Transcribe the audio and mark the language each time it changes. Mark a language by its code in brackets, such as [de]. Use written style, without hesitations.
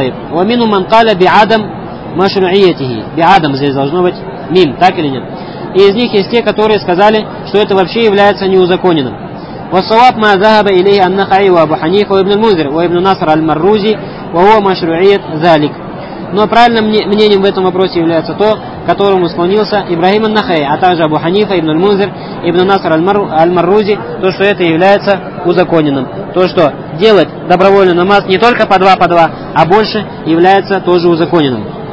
[ar] «Вамину ман каля би адам машруиятихи». [ru] «Би адам» здесь должно быть мим, так или нет? И из них есть те, которые сказали, что это вообще является неузаконенным. [ar] والصواب ما ذهب إليه النخعي وأبو حنيفة وابن المنذر وابن نصر المروزي وهو مشروعية ذلك. [ru] Но правильным мнением в этом вопросе является то, которому склонился Ибрахим ан-Нахаи, а также Абу Ханифа, ибн аль-Мунзир, ибн Наср аль-Маррузи, то, что это является узаконенным. То, что делать добровольный намаз не только по два, а больше, является тоже узаконенным.